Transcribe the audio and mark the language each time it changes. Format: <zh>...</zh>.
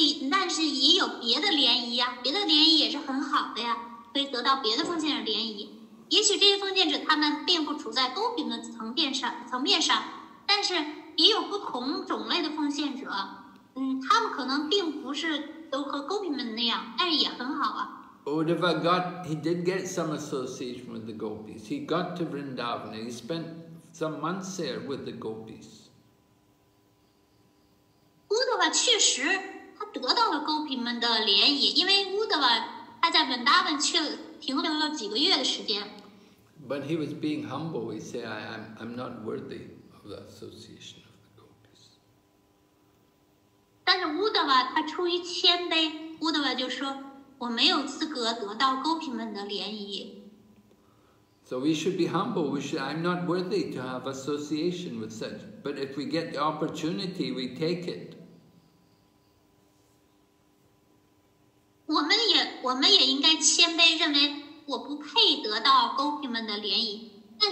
<zh>但是也有别的联谊啊，别的联谊也是很好的呀，可以得到别的奉献者联谊。也许这些奉献者他们并不处在勾饼的层面上，但是也有不同种类的奉献者，他们可能并不是都和勾饼们那样，但是也很好啊。</zh> <en>Uddhava got, he did get some association with the gopis. He got to Vrindavan and he spent some months there with the gopis.</en> <zh>乌德瓦确实他得到了勾皮们的联谊，因为乌德瓦他在文达文去停留了几个月的时间。</zh> <en>But he was being humble, he said, I'm not worthy of the association of the gopis.</en> <zh>但是乌德瓦他出于谦卑，乌德瓦就说，我没有资格得到勾皮们的联谊。</zh> <en>So we should be humble. I'm not worthy to have association with such. But if we get the opportunity, we take it. We should be humble. We think I'm not worthy to get the opportunity.</en>